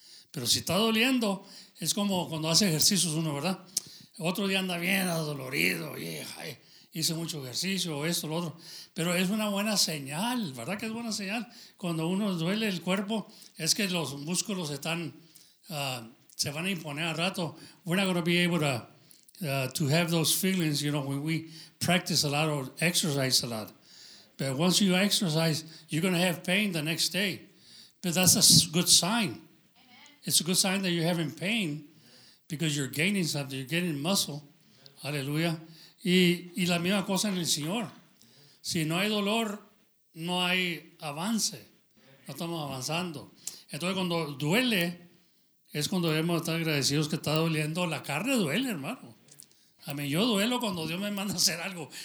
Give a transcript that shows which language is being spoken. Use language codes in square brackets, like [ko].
[es] Pero si está doliendo, es como cuando hace ejercicios uno, ¿verdad? Otro día anda bien adolorido, hice mucho ejercicio, esto, lo otro. Pero es una buena señal, ¿verdad que es buena señal? Cuando uno duele el cuerpo, es que los músculos están... se van a imponer al rato. [en] We're not going to be able to have those feelings, you know, when we practice a lot or exercise a lot. But once you exercise, you're going to have pain the next day. But that's a good sign. Amen. It's a good sign that you're having pain because you're gaining something. You're gaining muscle. Amen. Hallelujah. [es] Y la misma cosa en el Señor. Si no hay dolor, no hay avance. No estamos avanzando. Entonces, cuando duele, es cuando debemos estar agradecidos que está doliendo. La carne duele, hermano. A mí, yo duelo cuando Dios me manda a hacer algo.